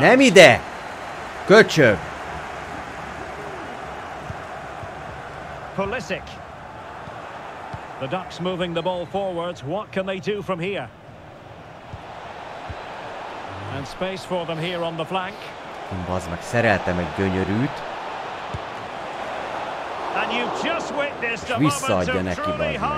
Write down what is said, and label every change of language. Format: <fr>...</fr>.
<hu>Nem ide. Köcsög.</hu> <en>Pulisic. The Ducks moving the ball forwards. What can they do from here? And space for them here on the flank.</en> <hu>Bazmak, szereltem egy gyönyörűt.</hu> <en>And you've just witnessed a moment of truly</en> <hu>bazmak.</hu>